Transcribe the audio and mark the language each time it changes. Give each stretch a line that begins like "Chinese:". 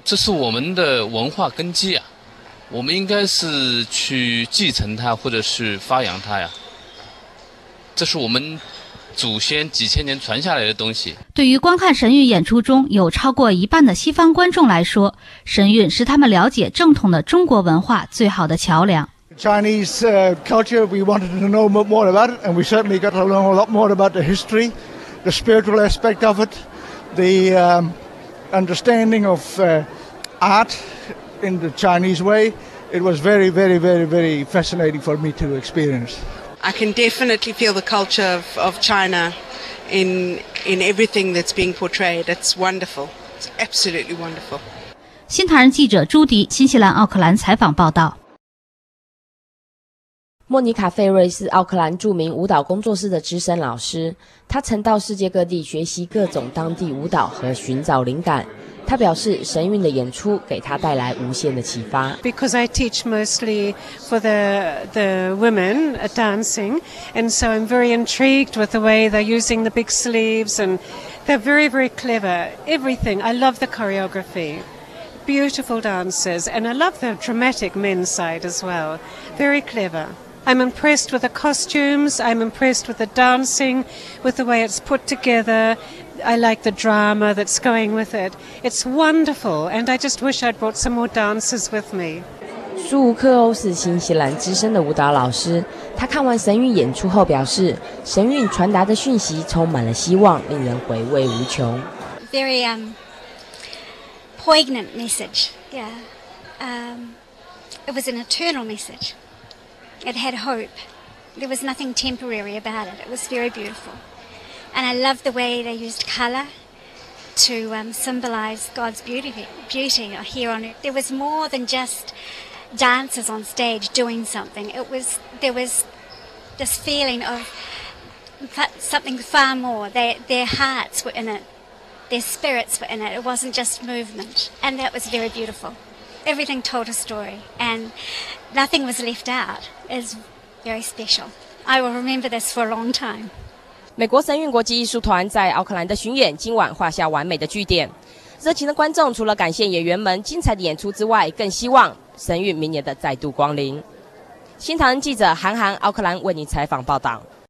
Chinese: 这是我们的文化根基啊，我们应该是去继承它或者是发扬它呀。这是我们祖先几千年传下来的东西。对于观看神韵演出中有超过一半的西方观众来说，神韵是他们了解正统的中国文化最好的桥梁。
English: Chinese culture, we wanted to know more about it, and we certainly got to learn a lot more about the history, the spiritual aspect of it, the understanding of art in the Chinese way. It was very, very, very, very fascinating for me to experience. I can definitely feel the culture of China in everything that's being portrayed. It's wonderful. It's absolutely wonderful.
Chinese: 新唐人记者朱迪，新西兰奥克兰采访报道。莫妮卡·费瑞是奥克兰著名舞蹈工作室的资深老师，她曾到世界各地学习各种当地舞蹈和寻找灵感。他表示神韵的演出给他带来无限的启发。
English: Because I teach mostly for the women dancing, and so I'm very intrigued with the way they're using the big sleeves, and they're very, very clever. Everything. I love the choreography. Beautiful dancers, and I love the dramatic men's side as well. Very clever. I'm impressed with the costumes, I'm impressed with the dancing, with the way it's put together. I like the drama that's going with it. It's wonderful, and I just wish I'd brought some more dancers with me.
Chinese: 苏吴克欧是新西兰资深的舞蹈老师，他看完神韵演出后表示，神韵传达的讯息充满了希望，令人回味无穷。
English: Very poignant message, yeah. It was an eternal message. It had hope. There was nothing temporary about it. It was very beautiful. And I love the way they used color to symbolize God's beauty here on earth. There was more than just dancers on stage doing something. There was this feeling of something far more. Their hearts were in it. Their spirits were in it. It wasn't just movement. And that was very beautiful. Everything told a story, and nothing was left out. It's very special. I will remember this for a long time.
Chinese: 美国神韵国际艺术团在奥克兰的巡演今晚画下完美的句点。热情的观众除了感谢演员们精彩的演出之外，更希望神韵明年的再度光临。新唐人记者韩寒，奥克兰为你采访报道。